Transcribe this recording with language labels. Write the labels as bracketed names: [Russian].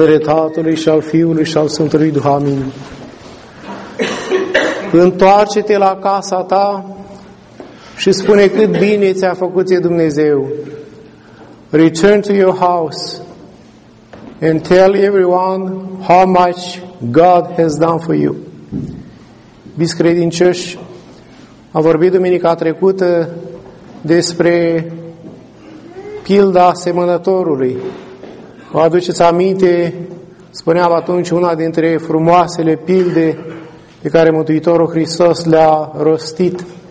[Romanian] Dere Tatălui și al Fiului și al Sfântului Duh, amin. Întoarce-te la casa ta și spune cât bine ți-a făcut ție Dumnezeu. [English] Return to your house and tell everyone how much God has done for you. [Romanian] Biți credincioși, a vorbit duminica trecută despre pilda semănătorului. Vă aduceți aminte, spuneam atunci, una dintre frumoasele pilde pe care Mântuitorul Hristos le-a rostit.